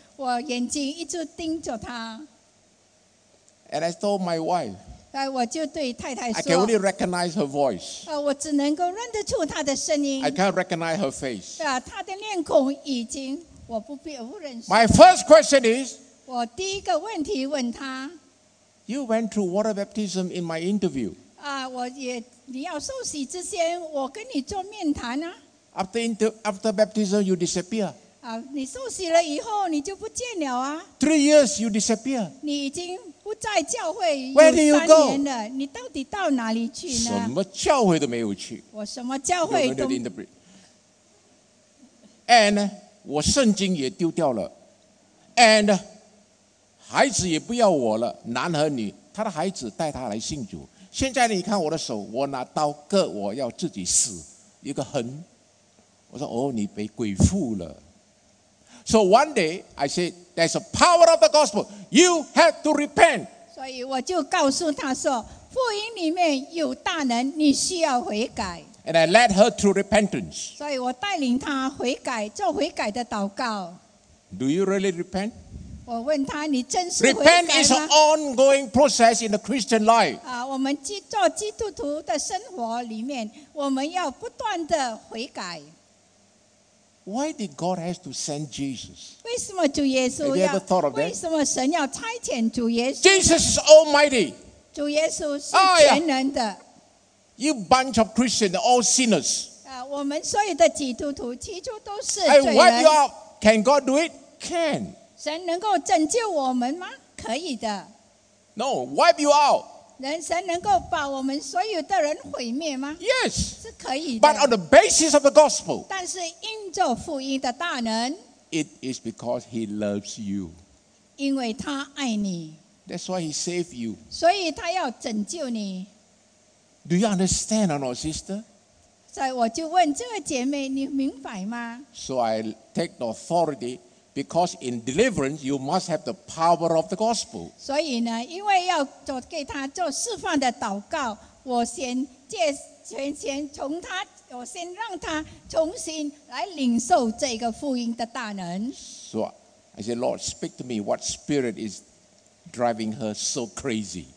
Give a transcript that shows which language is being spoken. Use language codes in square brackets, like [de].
[zh] 我眼睛一直盯着他。 [en] And I told my wife, [zh] 我就对太太说 [en] I can only recognize her voice. [zh] 我只能够认得出她的声音。 [en] I can't recognize her face. [zh] 她的面孔已经我不必不认识。 [en] My first question is, [zh] 我第一个问题问她 [en] You went through water baptism in my interview. [zh] 你要受洗之前我跟你做面谈啊。 [en] After baptism, you disappear. [zh] 你受洗了以后你就不见了啊。 [en] Three years, you disappear. [zh] 你已经不在教会有三年了。 [en] Where do you go? [zh] 你到底到哪里去呢？什么教会都没有去。我什么教会都没有去。 And, 我圣经也丢掉了。 And, 孩子也不要我了，男和女，他的孩子带他来信主。现在你看我的手，我拿刀割，我要自己死，一个痕。我说，哦，你被鬼附了。 [en] So one day, I said, there's a power of the gospel. You have to repent. [zh] 所以我就告诉他说，福音里面有大能，你需要悔改。 [en] And I led her through repentance. [zh] 所以我带领她悔改，做悔改的祷告。 [en] Do you really repent? [zh] 我问她，你真是悔改吗？ [en] Repent is an ongoing process in the Christian life. [zh] 我们做基督徒的生活里面，我们要不断的悔改。 [en] Why did God have to send Jesus? [zh] 为什么主耶稣要 [en] Have you ever thought of that? [zh] 为什么神要差遣主耶稣？ [en] Jesus is Almighty. [zh] 主耶稣是全能的。 [en] You bunch of Christians, all sinners. [zh] 我们所有的基督徒其实都是罪人。 [en] I wipe you out. Can God do it? Can. [zh] 神能够拯救我们吗？可以的。 [en] No, wipe you out. [zh] 神能够把我们所有的人毁灭吗？ [en] Yes, [zh] 是可以的。 [en] But on the basis of the gospel, [zh] 但是因着福音的大能， [en] it is because he loves you. [zh] 因为他爱你。 [en] That's why he saved you. [zh] 所以他要拯救你。 [en] Do you understand, or not, sister? [zh] 所以我就问这个姐妹，你明白吗？ [en] So I take the authority. Because in deliverance, you must have the power of the gospel. [zh] 所以呢，因为要做给他做释放的祷告，我先借全钱从他，我先让他重新来领受这个福音的大能。 [en] So I said, Lord, speak to me. What spirit is driving her so crazy?